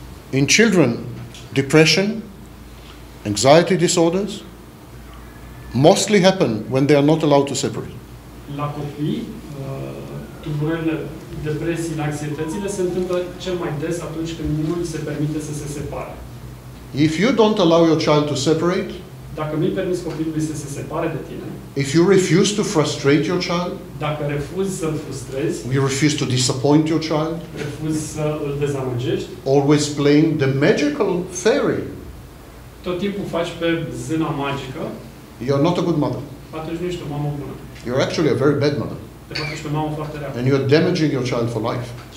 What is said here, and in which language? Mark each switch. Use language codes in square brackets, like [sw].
[en] In children, depression, anxiety disorders mostly happen when they are not allowed to separate. [ro] La copii, tulburările, depresiile, anxietățile se întâmplă cel mai des atunci când nu se permite să se separe. [en] If you don't allow your child to separate, [ro] dacă nu-i permiți copilului să se separe de tine, [en] if you refuse to frustrate your child, [ro] dacă refuzi să-l frustrezi, [en] you refuse to disappoint your child, [ro] refuzi să-l dezamăgești, [en] always playing the magical fairy, [ro] tot timpul faci pe zâna magică, [en] you're not a good mother. [ro] Atunci nu ești o mamă bună. [en] You're actually a very bad mother. And you're damaging your child for life.